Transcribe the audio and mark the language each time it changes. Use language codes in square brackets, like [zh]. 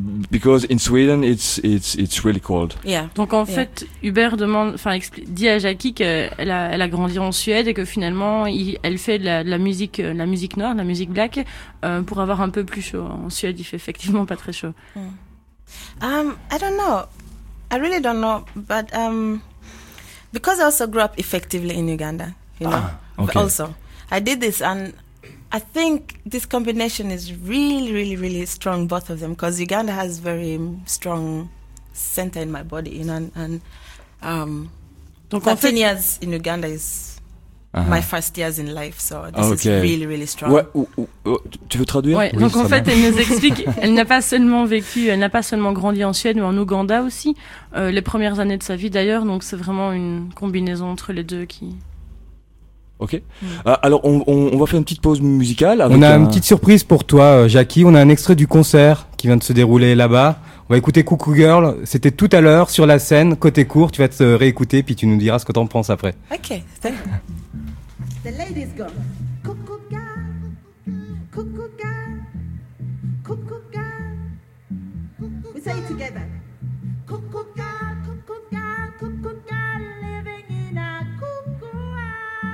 [en] Because in Sweden it's really cold. Yeah. [fr] Donc en fait, Hubert demande, enfin dit à Jackie qu'elle a grandi en Suède et que finalement elle fait de la musique noire, de la musique black, pour avoir un peu plus chaud. En Suède, il fait effectivement pas très chaud. Mm. [en] I don't know. I really don't know. But because I also grew up effectively in Uganda, you know. Okay. Also, I did this, and I think this combination is really, really, really strong. Both of them, because Uganda has very strong center in my body, you know. And 13 years in Uganda is my first years in life, so this is really, really strong. [fr] Ouais, tu veux traduire? Ouais, oui, donc en fait, elle nous explique, elle n'a pas seulement grandi en Suède, mais en Ouganda aussi, les premières années de sa vie d'ailleurs, donc c'est vraiment une combinaison entre les deux qui... Ok. Oui. Alors, on va faire une petite pause musicale. On a une petite surprise pour toi, Jackie. On a un extrait du concert qui vient de se dérouler là-bas. On va écouter Cuckoo Girl. C'était tout à l'heure sur la scène, côté court. Tu vas te réécouter, puis tu nous diras ce que t'en penses après. Ok, c'est... [en] The lady's gone. Cuckoo girl, cuckoo girl, cuckoo girl. We say it together. Cuckoo girl, cuckoo girl, cuckoo girl, living in a cuckoo world.